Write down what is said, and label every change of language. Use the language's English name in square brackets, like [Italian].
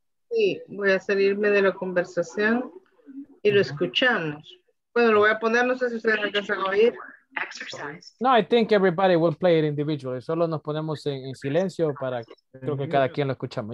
[Spanish] Sí, voy a salirme de la conversación y lo escuchamos. Bueno, lo voy a poner, no sé si ustedes alcanzan a oír. [English] Exercise. No, I think everybody will play it individually. [Spanish] Solo nos ponemos en silencio para creo que cada quien lo escuchamos.